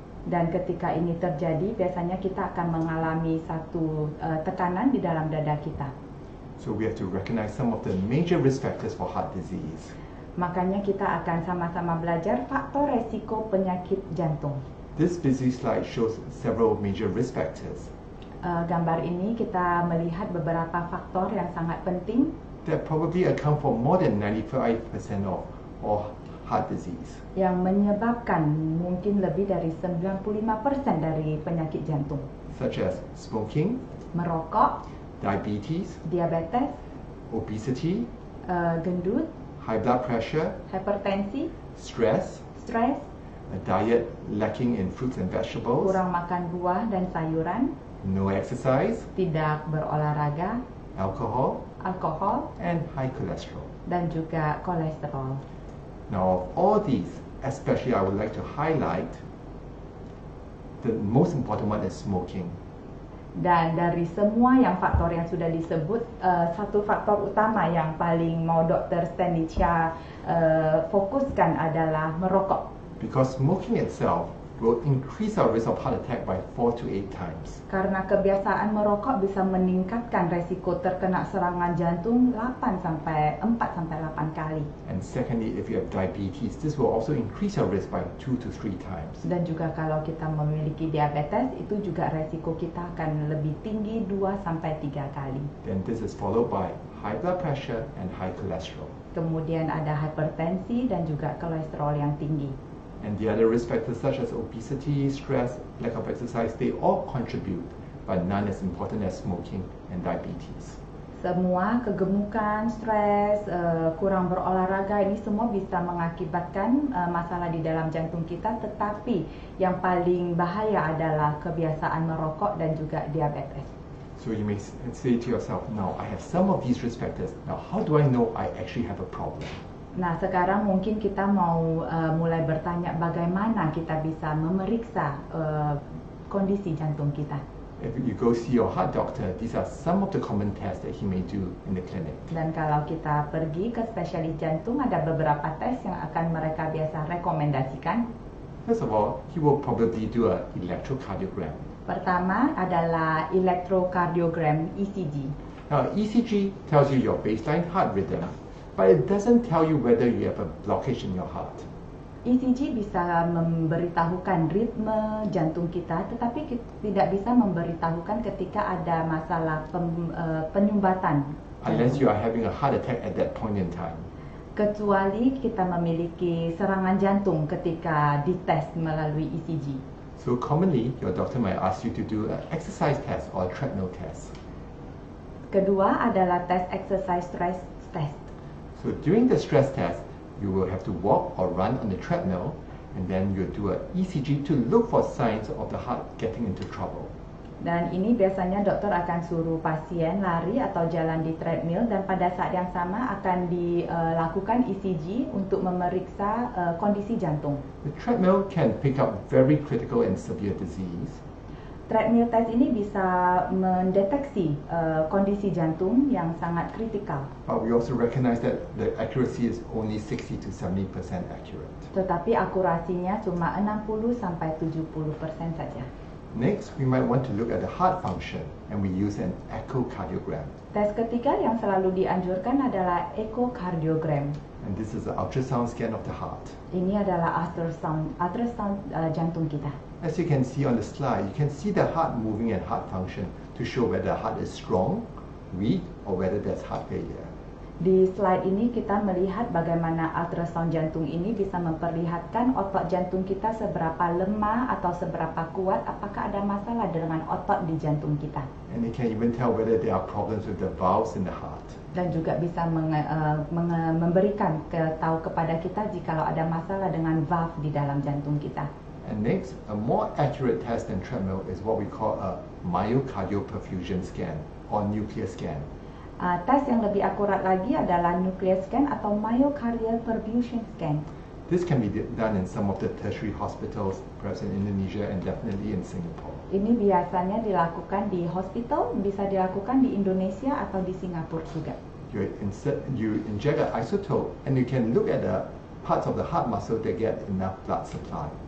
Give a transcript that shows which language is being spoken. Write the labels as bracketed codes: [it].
[id] Dan ketika ini terjadi, biasanya kita akan mengalami satu tekanan di dalam dada kita. [en] So we have to recognize some of the major risk factors for heart disease. [id] Makanya kita akan sama-sama belajar faktor resiko penyakit jantung. [en] This busy slide shows several major risk factors. [id] Gambar ini kita melihat beberapa faktor yang sangat penting. [en] That probably account for more than 95% of heart disease. [id] Yang menyebabkan mungkin lebih dari 95% dari penyakit jantung. [en] Such as smoking. [id] Merokok. [en] Diabetes. [id] Diabetes. [en] Obesity. [id] Gendut. [en] high blood pressure, [id] hypertensi, [en] stress, a diet lacking in fruits and vegetables, [id] kurang makan buah dan sayuran, [en] no exercise, [id] tidak berolahraga, [en] alcohol, and high cholesterol, [id] dan juga kolesterol. [en] Now of all these, especially I would like to highlight the most important one is smoking. [id] Dan dari semua yang faktor yang sudah disebut, satu faktor utama yang paling mau Dr. Stanicia fokuskan adalah merokok. [en] Because smoking itself will increase our risk of heart attack by 4 to 8 times. [id] Karena kebiasaan merokok bisa meningkatkan resiko terkena serangan jantung 4 sampai 8 kali. [en] And secondly, if you have diabetes, this will also increase your risk by 2 to 3 times. [id] Dan juga kalau kita memiliki diabetes, itu juga resiko kita akan lebih tinggi 2 sampai 3 kali. [en] Then this is followed by high blood pressure and high cholesterol. [id] Kemudian ada hipertensi dan juga kolesterol yang tinggi. [en] And the other risk factors such as obesity, stress, lack of exercise, they all contribute, but none as important as smoking and diabetes. [id] Semua kegemukan, stres, kurang berolahraga, ini semua bisa mengakibatkan masalah di dalam jantung kita, tetapi yang paling bahaya adalah kebiasaan merokok dan juga diabetes. [en] So you may say to yourself, now I have some of these risk factors, now how do I know I actually have a problem? [id] Nah, sekarang mungkin kita mau mulai bertanya bagaimana kita bisa memeriksa kondisi jantung kita. [en] If you go see your heart doctor, these are some of the common tests that he may do in the clinic. [id] Dan kalau kita pergi ke spesialis jantung, ada beberapa tes yang akan mereka biasa rekomendasikan. [en] First of all, he will probably do an electrocardiogram. [id] Pertama adalah electrocardiogram, ECG. [en] Now, ECG tells you your baseline heart rhythm. But it doesn't tell you whether you have a blockage in your heart. [id] ECG bisa memberitahukan ritme jantung kita, tetapi tidak bisa memberitahukan ketika ada masalah penyumbatan. [en] Unless you are having a heart attack at that point in time. [id] Kecuali kita memiliki serangan jantung ketika dites melalui ECG. [en] So commonly, your doctor might ask you to do an exercise test or a treadmill test. [id] Kedua adalah tes exercise stress test. [en] So during the stress test, you will have to walk or run on the treadmill, and then you'll do an ECG to look for signs of the heart getting into trouble. [id] Dan ini biasanya dokter akan suruh pasien lari atau jalan di treadmill, dan pada saat yang sama akan dilakukan ECG untuk memeriksa kondisi jantung. [en] The treadmill can pick up very critical and severe disease. [id] Treadmill test ini bisa mendeteksi kondisi jantung yang sangat kritikal. [en] But we also recognize that the accuracy is only 60 to 70% accurate. [id] Tetapi akurasinya cuma 60 sampai 70% saja. [en] Next, we might want to look at the heart function and we use an echocardiogram. [id] Tes ketiga yang selalu dianjurkan adalah echocardiogram. [en] And this is an ultrasound scan of the heart. [id] Ini adalah ultrasound jantung kita. [en] As you can see on the slide, you can see the heart moving and heart function to show whether the heart is strong, weak, or whether there's heart failure. [id] Di slide ini kita melihat bagaimana ultrasound jantung ini bisa memperlihatkan otot jantung kita seberapa lemah atau seberapa kuat, apakah ada masalah dengan otot di jantung kita. [en] And it can even tell whether there are problems with the valves in the heart. [id] Dan juga bisa memberikan tahu kepada kita jika ada masalah dengan valve di dalam jantung kita. [en] And next, a more accurate test than treadmill is what we call a myocardial perfusion scan or nuclear scan. [id] Tes yang lebih akurat lagi adalah nuclear scan atau myocardial perfusion scan. [en] This can be done in some of the tertiary hospitals, perhaps in Indonesia and definitely in Singapore. [id] Ini biasanya dilakukan di hospital, bisa dilakukan di Indonesia atau di Singapura juga. [en] You inject an isotope and you can look at the parts of the heart muscle that get enough blood supply.